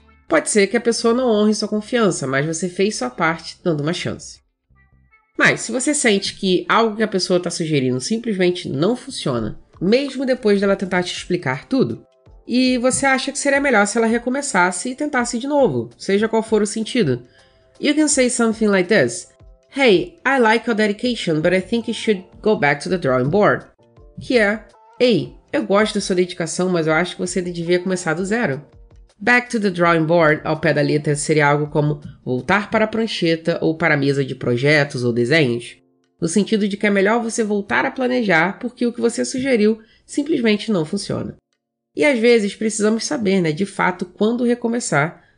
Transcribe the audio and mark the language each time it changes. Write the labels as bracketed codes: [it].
[pt] Pode ser que a pessoa não honre sua confiança, mas você fez sua parte dando uma chance. Mas, se você sente que algo que a pessoa está sugerindo simplesmente não funciona, mesmo depois dela tentar te explicar tudo, e você acha que seria melhor se ela recomeçasse e tentasse de novo, seja qual for o sentido. [en] You can say something like this. Hey, I like your dedication, but I think you should go back to the drawing board. [pt] Que é, ei, eu gosto da sua dedicação, mas eu acho que você devia começar do zero. [en] Back to the drawing board, [pt] ao pé da letra, seria algo como voltar para a prancheta ou para a mesa de projetos ou desenhos. No sentido de que é melhor você voltar a planejar porque o que você sugeriu simplesmente não funciona. E às vezes precisamos saber, né, de fato, quando recomeçar